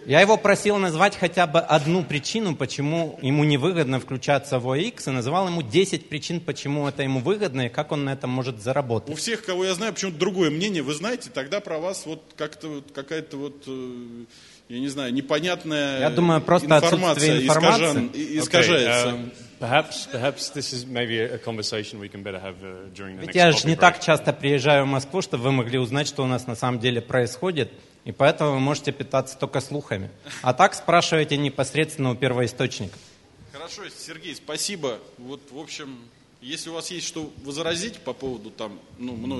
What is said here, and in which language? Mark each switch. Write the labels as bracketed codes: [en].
[ru] Я его просил назвать хотя бы одну причину, почему ему не выгодно включаться в OAX, и называл ему 10 причин, почему это ему выгодно и как он на этом может заработать. У всех, кого я знаю, почему-то другое мнение. Вы знаете, тогда про вас вот как-то вот какая-то вот, я не знаю, непонятная информация. Я думаю, просто отсутствие информации. Искажается. [en] Perhaps this is maybe a conversation we can better have during the next coffee break. [ru] Я же не так часто приезжаю в Москву, чтобы вы могли узнать, что у нас на самом деле происходит. И поэтому вы можете питаться только слухами. А так спрашивайте непосредственно у первоисточника. Хорошо, Сергей, спасибо. Вот, в общем, если у вас есть что возразить по поводу там, ну, мною